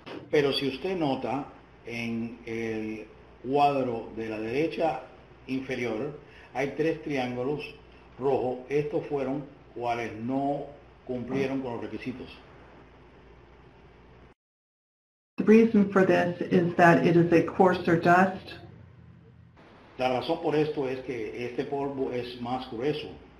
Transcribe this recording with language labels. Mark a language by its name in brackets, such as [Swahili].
[Spanish] Pero si usted nota en el cuadro de la derecha inferior, hay tres triángulos rojos. Estos fueron cuales no cumplieron con los requisitos. [English] The reason for this is that it is a coarser dust. [Spanish] La razón por esto es que este polvo es más grueso.